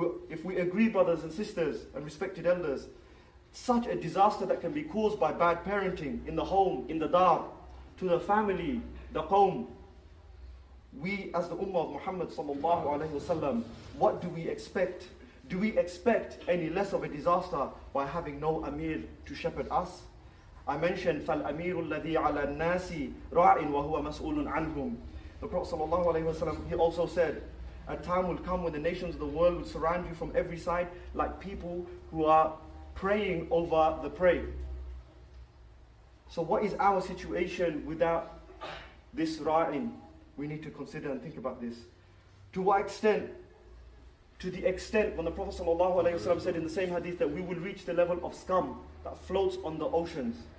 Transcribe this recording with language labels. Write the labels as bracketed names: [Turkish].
[English] If we agree, brothers and sisters and respected elders, such a disaster that can be caused by bad parenting in the home, in the dar, to the family, the qawm, we as the Ummah of Muhammad sallallahu alaihi wasallam, what do we expect? Do we expect any less of a disaster by having no Amir to shepherd us? I mentioned, [Arabic] فَالْأَمِيرُ الَّذِي عَلَى النَّاسِ رَاعٍ وَهُوَ مَسْئُولٌ عَنْهُمْ. [English] The Prophet sallallahu alaihi wasallam, he also said, a time will come when the nations of the world will surround you from every side like people who are praying over the prey. So what is our situation without this ra'in? We need to consider and think about this. To what extent? To the extent when the Prophet sallallahu alaihi wasallam said in the same hadith that we will reach the level of scum that floats on the oceans.